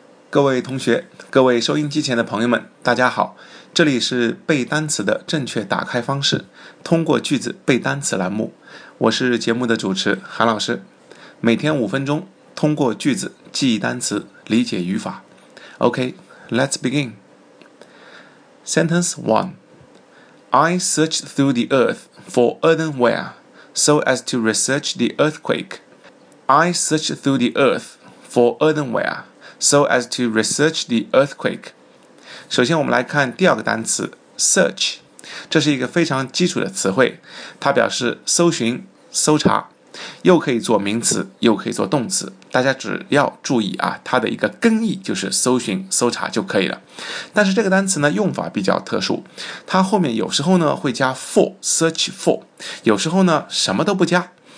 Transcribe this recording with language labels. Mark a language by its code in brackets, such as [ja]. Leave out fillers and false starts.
[zh] 各位同学，各位收音机前的朋友们，大家好，这里是背单词的正确打开方式，通过句子背单词栏目，我是节目的主持韩老师，每天五分钟，通过句子记忆单词，理解语法。 [en] OK, let's begin. Sentence 1. I searched through the earth for earthenware so as to research the earthquake. I searched through the earth for earthenware. So as to research the earthquake. [zh] 首先我们来看第二个单词 search. 这是一个非常基础的词汇，它表示搜寻、搜查，又可以做名词，又可以做动词。大家只要注意啊，它的一个根意就是搜寻、搜查就可以了。但是这个单词呢，用法比较特殊，它后面有时候呢会加 for, search for, 有时候呢什么都不加。